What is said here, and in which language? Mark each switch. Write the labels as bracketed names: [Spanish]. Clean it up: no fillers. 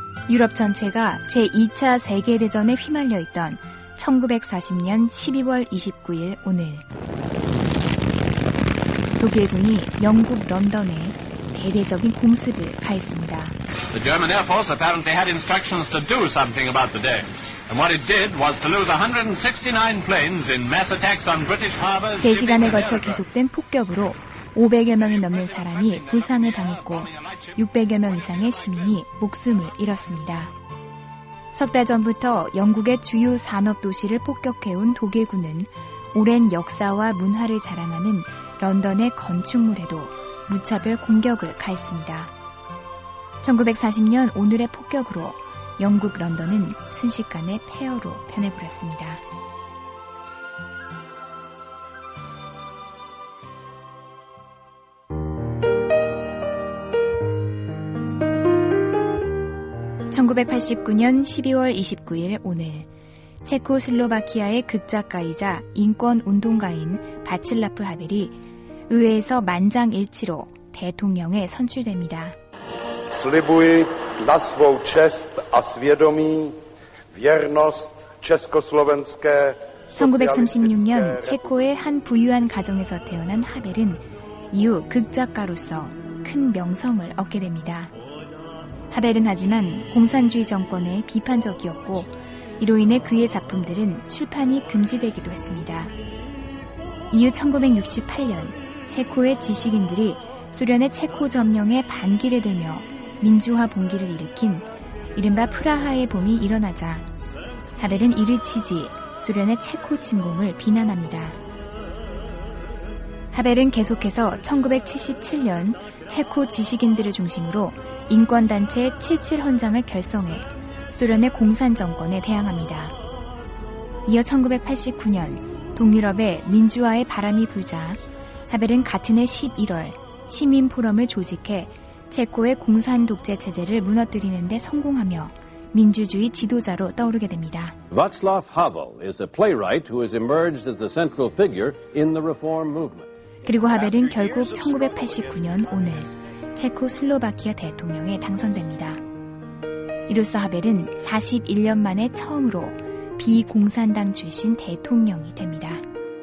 [Korean] 유럽 전체가 제2차 세계대전에 휘말려 있던 1940년 12월 29일 오늘, 독일군이 영국 런던에 대대적인 공습을 가했습니다. [English] The German Air Force apparently had instructions to do something about the day. And what it did was to lose 169 planes in mass attacks on British harbors. [Korean] 3시간에 걸쳐 계속된 폭격으로 500여 명이 넘는 사람이 부상을 당했고 600여 명 이상의 시민이 목숨을 잃었습니다. 석 달 전부터 영국의 주요 산업 도시를 폭격해온 독일군은 오랜 역사와 문화를 자랑하는 런던의 건축물에도 무차별 공격을 가했습니다. 1940년 오늘의 폭격으로 영국 런던은 순식간에 폐허로 변해버렸습니다. 1989년 12월 29일 오늘, 체코슬로바키아의 극작가이자 인권운동가인 바칠라프 하벨이 의회에서 만장일치로 대통령에 선출됩니다. [Czech] 슬리부이 나 svou čest a svědomí věrnost československé. [Korean] 1936년 체코의 한 부유한 가정에서 태어난 하벨은 이후 극작가로서 큰 명성을 얻게 됩니다. 하벨은 하지만 공산주의 정권에 비판적이었고, 이로 인해 그의 작품들은 출판이 금지되기도 했습니다. 이후 1968년 체코의 지식인들이 소련의 체코 점령에 반기를 들며 민주화 봉기를 일으킨 이른바 프라하의 봄이 일어나자 하벨은 이를 지지 소련의 체코 침공을 비난합니다. 하벨은 계속해서 1977년 체코 지식인들을 중심으로 인권단체 77 헌장을 결성해 소련의 공산 정권에 대항합니다. 이어 1989년 동유럽에 민주화의 바람이 불자 하벨은 같은 해 11월 시민 포럼을 조직해 체코의 공산 독재 체제를 무너뜨리는 데 성공하며 민주주의 지도자로 떠오르게 됩니다. [English] Václav Havel is a playwright who has emerged as the central figure in the reform movement. [Korean] 그리고 하벨은 결국 1989년 오늘 체코슬로바키아 대통령에 당선됩니다. 이로써 하벨은 41년 만에 처음으로 비공산당 출신 대통령이 됩니다.